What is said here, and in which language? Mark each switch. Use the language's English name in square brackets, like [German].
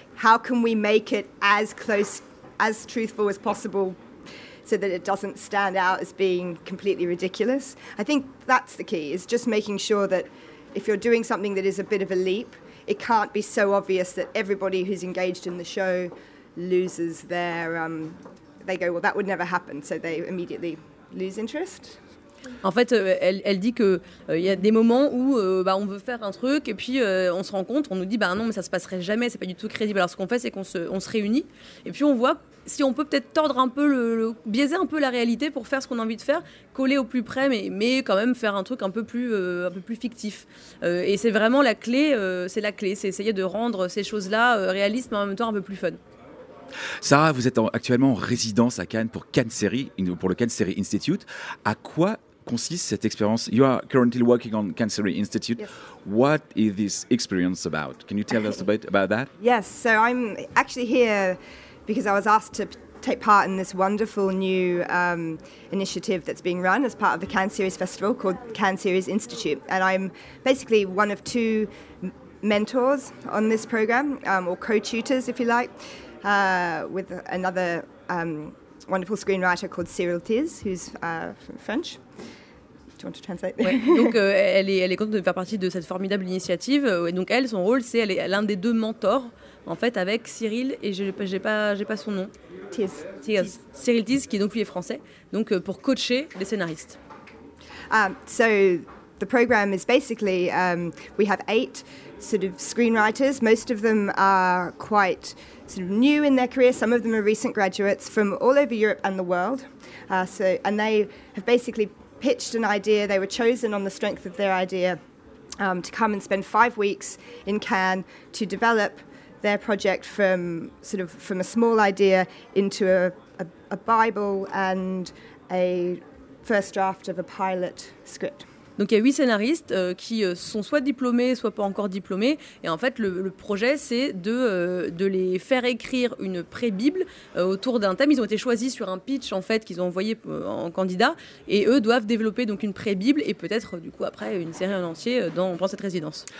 [English] How can we make it as truthful as possible, so that it doesn't stand out as being completely ridiculous? I think that's the key, is just making sure that if you're doing something that is a bit of a leap, it can't be so obvious that everybody who's engaged in the show loses their... they go, well, that would never happen, so they immediately lose interest. [French] En fait, elle dit qu'il y a des moments où on veut faire un truc et puis on se rend compte, on nous dit, non, mais ça se passerait jamais, c'est pas du tout crédible. Alors ce qu'on fait, c'est qu'on se réunit et puis on voit si on peut peut-être tordre un peu, biaiser un peu la réalité pour faire ce qu'on a envie de faire, coller au plus près, mais quand même faire un truc un peu plus fictif. Et c'est vraiment la clé, c'est essayer de rendre ces choses-là réalistes, mais en même temps un peu plus fun. Sarah, vous êtes actuellement en résidence à Cannes pour Cannes Série, pour le Cannes Série Institute. À quoi consiste cette expérience? [English] You are currently working on Cannes Série Institute. Yes. What is this experience about? Can you tell us a bit about that? Yes, so I'm actually here because I was asked to take part in this wonderful new initiative that's being run as part of the Cannes Series Festival called Cannes Series Institute. And I'm basically one of two mentors on this program, or co-tutors, if you like, with another wonderful screenwriter called Cyril Thiers, who's French. Do you want to translate? [French] Ouais. Donc, elle est contente de faire partie de cette formidable initiative. Et donc, elle, son rôle, c'est elle est l'un des deux mentors, en fait, avec Cyril, et j'ai pas son nom. Thiers. Cyril Thiers, qui est donc lui est français, donc pour coacher les scénaristes. [English] So the program is basically we have 8 sort of screenwriters. Most of them are quite sort of new in their career. Some of them are recent graduates from all over Europe and the world. And they have basically pitched an idea. They were chosen on the strength of their idea to come and spend 5 weeks in Cannes to develop their project from sort of from a small idea into a Bible and a first draft of a pilot script. [French] Donc il y a 8 scénaristes qui sont soit diplômés, soit pas encore diplômés. Et en fait, le projet, c'est de les faire écrire une pré-bible autour d'un thème. Ils ont été choisis sur un pitch en fait, qu'ils ont envoyé en candidat. Et eux doivent développer donc, une pré-bible et peut-être du coup après une série en entier dans cette résidence.